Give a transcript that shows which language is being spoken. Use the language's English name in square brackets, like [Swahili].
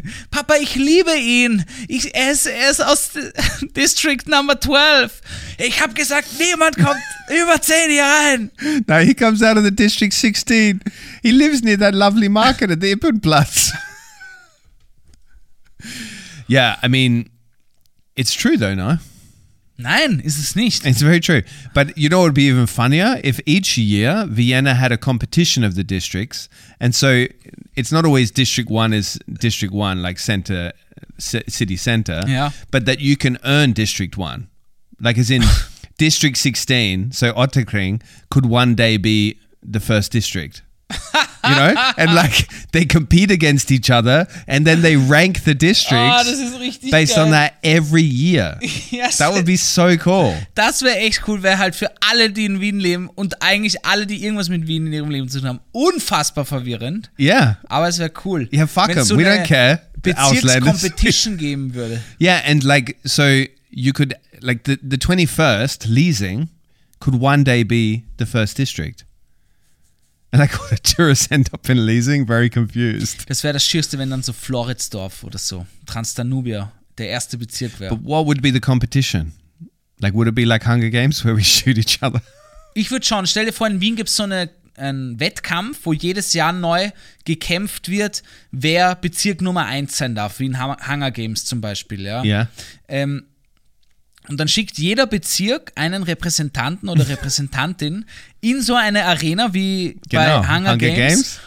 [German] Papa, ich liebe ihn. Er ist aus [English] District Number 12. [German] Ich habe gesagt, niemand kommt über 10 hier rein. [English] Now he comes out of the District 16. He lives near that lovely market at the Ippenplatz. Yeah, I mean, it's true though, no? [German] Nein, ist es nicht. [English] It's very true. But you know what would be even funnier? If each year Vienna had a competition of the districts, and so it's not always District 1 is District 1, like center, city center, yeah. But that you can earn District 1. Like as in District 16, so Otterkring, could one day be the first district. You know? And like they compete against each other and then they rank the districts based [German] geil. [English] On that every year. Yes. That would be so cool. [German] Das wäre echt cool, wäre halt für alle, die in Wien leben und eigentlich alle, die irgendwas mit Wien in ihrem Leben zu tun haben, unfassbar verwirrend. [English] Yeah. [German] Aber es wäre cool. [English] Yeah, fuck them. So we don't care. [German] Bezirkscompetition geben würde. [English] Yeah, and like so you could like the 21st, Leasing, could one day be the first district. And I call a tourist end up in Leasing, very confused. Das wäre das Schierste, wenn dann so Floridsdorf oder so, Transdanubia, der erste Bezirk wäre. But what would be the competition? Like, would it be like Hunger Games, where we shoot each other? [German] Ich würde schauen, stell dir vor, in Wien gibt es so einen Wettkampf, wo jedes Jahr neu gekämpft wird, wer Bezirk Nummer 1 sein darf, wie in Hunger Games zum Beispiel, ja. [English] Yeah. [German] Und dann schickt jeder Bezirk einen Repräsentanten oder Repräsentantin in so eine Arena wie genau, bei Hunger Games.